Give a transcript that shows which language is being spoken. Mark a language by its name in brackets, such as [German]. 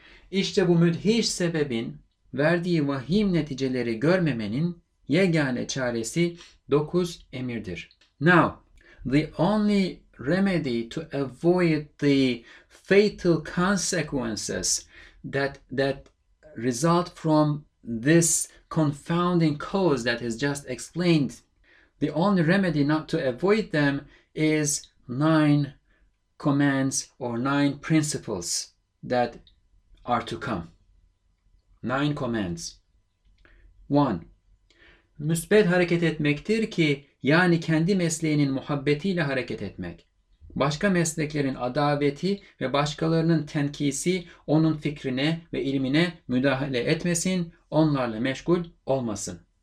[Turkish] İşte bu müdhiş sebebin verdiği vahim neticeleri görmemenin yegane çaresi 9 emirdir. [English] Now, the only remedy to avoid the fatal consequences that result from this confounding cause that is just explained, the only remedy not to avoid them is 9 commands or 9 principles that are to come. 9 commands. 1. [Turkish] Müsbet hareket etmektir ki, yani kendi mesleğinin muhabbetiyle hareket etmek. Başka mesleklerin adaveti ve başkalarının tenkisi onun fikrine ve ilmine müdahale etmesin, onlarla meşgul olmasın.